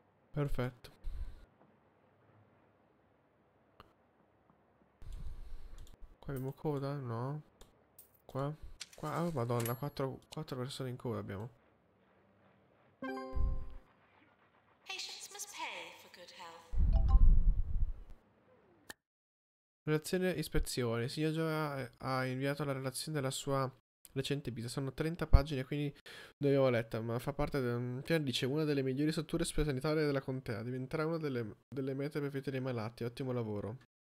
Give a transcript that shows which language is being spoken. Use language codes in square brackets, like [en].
[it] Perfetto. Qua abbiamo coda? No. Qua? Qua? Oh, madonna, 4 persone in coda abbiamo. [en] Patients must pay for good health. [it] Relazione ispezione. Il signor Joe ha inviato la relazione della sua recente visita. Sono 30 pagine, quindi non l'avevo letta, ma fa parte di un piano, dice, una delle migliori strutture sanitarie della contea. Diventerà una delle mete per vietare i malati. Ottimo lavoro.